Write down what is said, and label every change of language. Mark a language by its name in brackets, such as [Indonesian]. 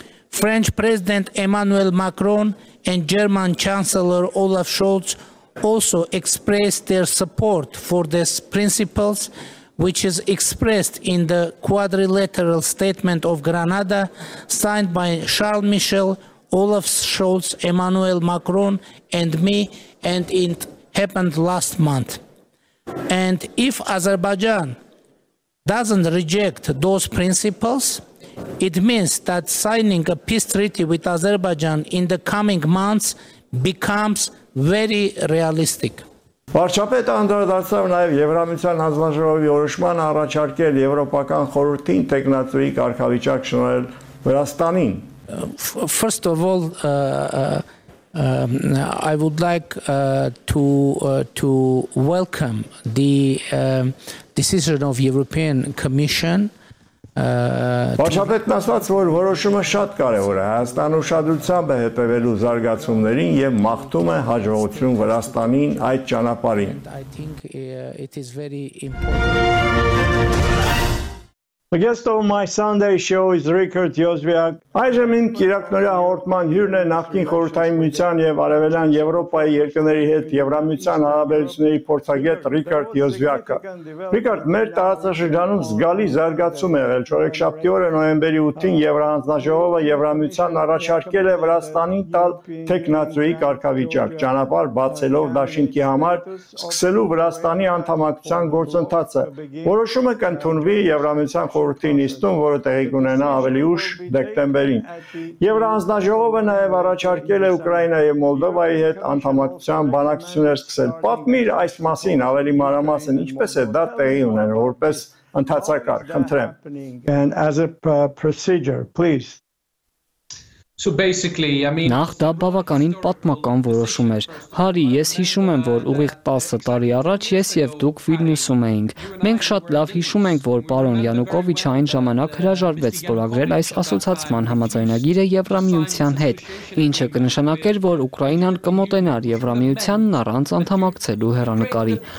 [English] French President Emmanuel Macron and German Chancellor Olaf Scholz also expressed their support for these principles, which is expressed in the quadrilateral statement of Granada, signed by Charles Michel, Olaf Scholz, Emmanuel Macron, and me, and it happened last month. And if Azerbaijan doesn't reject those principles, it means that signing a peace treaty with Azerbaijan in the coming months becomes very realistic. [Armenian] Վարչապետը անդրադարձավ նաև Եվրամիության հանձնաժողովի որոշման առաջարկել Եվրոպական խորհրդին տեղնացուի կարգավիճակ շնորհել Վրաստանին։ [English] First of all, I would like to welcome the decision of European Commission. [Armenian] Վարչապետն ասաց, որ որոշումը շատ կարևոր է, Հայաստանը ուշադրությամբ է հետևելու զարգացումներին եւ մաղթում է հաջողություն Վրաստանին այդ ճանապարհին։ [English] The guest of my Sunday show is Richard Yozviak. [Armenian] Այժմ ինք իրակնորյա հաղորդման հյուրն է նախկին խորհրդային միության եւ արևելյան Եվրոպայի երկրների հետ Եվրամիության հարաբերությունների փորձագետ Ռիկարդ Յոզվյակը։ Ռիկարդ, մեր տարածաշրջանում զգալի զարգացում է եղել։ Չորեքշաբթի օրը նոյեմբերի 8-ին Եվրահանձնաժողովը Եվրամիության առաջարկել է Վրաստանին տալ թեկնածուի կարգավիճակ, ճանապարհ բացելով Դաշինքի համար սկսելու Վրաստանի անդամակցության գործընթացը։ Որոշումը կընդունվի Եվրամիության խորհրդային միության խորհրդի նիստում, որը տեղի կունենա ավելի ուշ դեկտեմբերին։ Եվրանձնաժողովը նաև առաջարկել է Ուկրաինա և Մոլդովայի հետ անդամակցության բանակցություններ սկսել։ Պատմիր այս մասին ավելի մանրամասն, ինչպես է դա տեղի ունենա, որպես ընթացակար, խնդրեմ։ [English] And as a procedure, please. So basically, I mean, [Armenian] նախ դա բավականին պատմական որոշում էր։ Հարի, ես հիշում եմ, որ ուղիղ 10 տարի առաջ ես եւ դուք Վիլնյուսում էինք։ Մենք շատ լավ հիշում ենք, որ պարոն Յանուկովիչ այն ժամանակ հրաժարվեց ստորագրել այս ասոցիացիան համաձայնագիրը Եվրամիության հետ, ինչը կնշանակեր, որ Ուկրաինան կմոտենար Եվրամիությանն առանց անդամակցելու հեռանկարի։